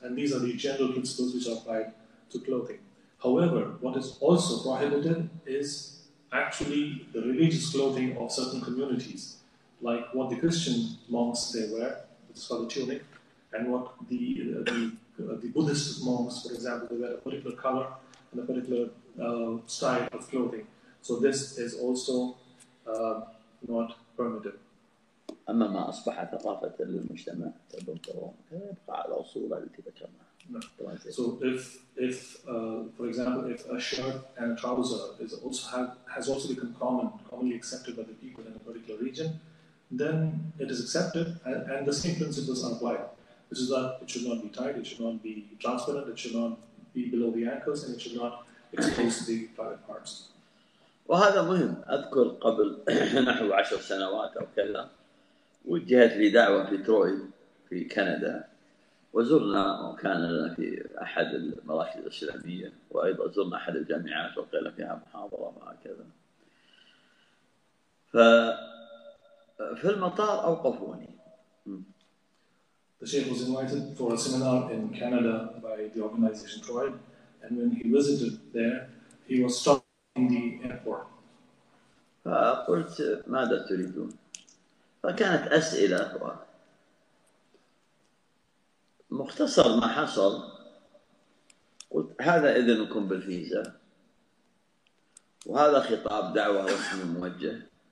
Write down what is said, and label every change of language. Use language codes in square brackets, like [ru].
[en] And these are the general principles which are applied to clothing. However, what is also prohibited is actually the religious clothing of certain communities, like what the Christian monks they wear, which is called a tunic, and what the Buddhist monks, for example, they wear a particular color and a particular style of clothing. So this is also not permitted. [ar] أما ما أصبح ثقافة للمجتمع تبنطرون تبقى على أصولها التي ذكرناها. [en] So if for example if a shirt and a trouser is also has also become commonly accepted by the people in a particular region, then it is accepted and the same principles are applied. Which is that it should not be tight, it should not be transparent, it should not be below the ankles and it should not expose the private parts. [ar] وهذا مهم. أذكر قبل نحو 10 سنوات أو كذا وجهت لي دعوة في تروي في كندا وزرنا وكان لنا في أحد المراكز الإسلامية وأيضا زرنا أحد الجامعات وقيل فيها محاضرة وكذا. ففي المطار أوقفوني. [en] The Sheikh was invited for a seminar in Canada by the organization Tribe, and when he visited there, he was stopped in the airport. [ar] فقلت ماذا تريدون؟ فكانت أسئلة مختصر ما حصل. قلت هذا إذنكم بالفيزا وهذا خطاب دعوة رسمي موجه.